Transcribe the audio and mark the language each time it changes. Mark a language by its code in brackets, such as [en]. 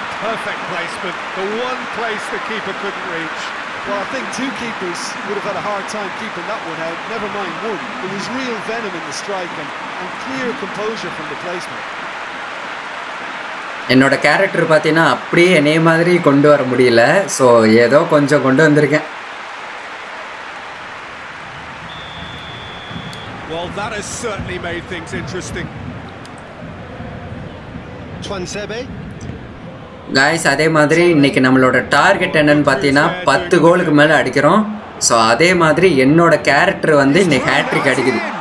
[en] Perfect place, but the one place the keeper couldn't reach. Well, I think two keepers would have had a hard time keeping that one out, never mind one. There was real venom in the strike and clear composure from the placement. [ta] என்னோட character பார்த்தினா அப்படியே என்னைய மாதிரி கொண்டு வர முடியல. So ஏதோ கொஞ்சம் கொண்டு வந்திருக்கேன். [en] Well, that has certainly made things interesting. Twansebe. [ta] Guys, அதே மாதிரி இன்னைக்கு நம்மளோட டார்கெட் என்னன்னு பார்த்தீங்கன்னா 10 கோலுக்கு மேல அடிக்கிறோம். ஸோ அதே மாதிரி என்னோட கேரக்டர் வந்து இன்னைக்கு ஹேட்ரிக் அடிக்குது.